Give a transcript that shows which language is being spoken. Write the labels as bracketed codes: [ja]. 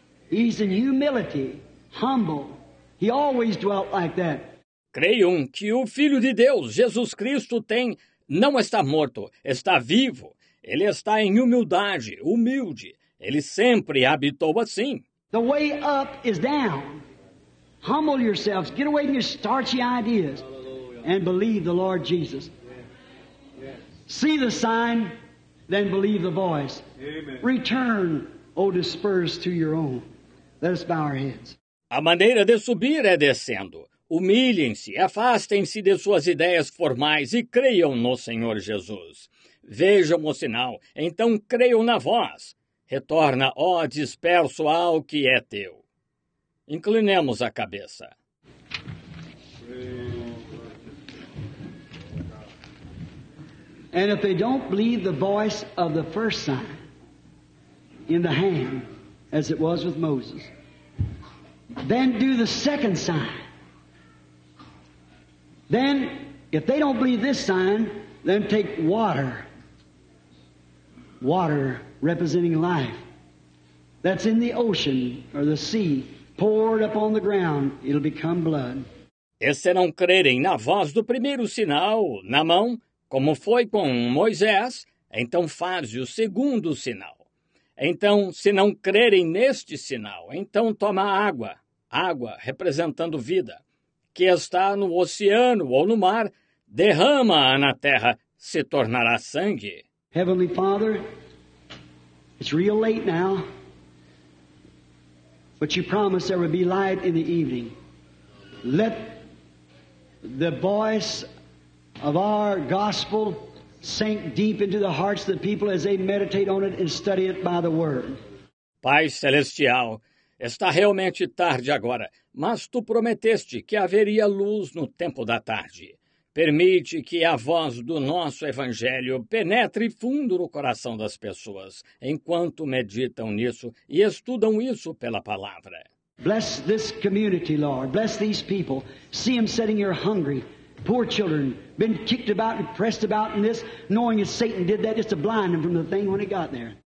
[en] He's in humility, humble. He always dwelt like that. [pt] Creiam que o Filho de Deus, Jesus Cristo, tem... Não está morto, está vivo. Ele está em humildade, humilde. Ele sempre habitou assim. [en] The way up is down. Humble yourselves. Get away from your starchy ideas. Hallelujah. And believe the Lord Jesus. Yes. See the sign, then believe the voice. Amen. Return, O dispersed, to your own. Let us bow our heads. [pt] A maneira de subir é descendo. Humilhem-se, afastem-se de suas ideias formais e creiam no Senhor Jesus. Vejam o sinal, então creio na voz. Retorna, ó disperso, ao que é teu. Inclinemos a cabeça. [en] And if they don't believe the voice of the first sign in the hand, as it was with Moses, then do the second sign. Then, if they don't believe this sign, then take water. Water representing life. That's in the ocean or the sea. Poured upon the ground, it'll become blood. [pt] E se não crerem na voz do primeiro sinal, na mão, como foi com Moisés, então faze o segundo sinal. Então, se não crerem neste sinal, então toma água. Água representando vida. Que está no oceano ou no mar, derrama-a na terra, se tornará sangue. [en] Heavenly Father, it's real late now, but you promised there would be light in the evening. Let the voice of our gospel sink deep into the hearts of the people as they meditate on it and study it by the word. [pt] Pai Celestial, está realmente tarde agora, mas tu prometeste que haveria luz no tempo da tarde. Permite que a voz do nosso Evangelho penetre fundo no coração das pessoas, enquanto meditam nisso e estudam isso pela palavra. [en] Bless this community, Lord. Bless these people. See them sitting here hungry. Poor children, been kicked about and pressed about in this, knowing that Satan did that just to blind them from the thing when it got there.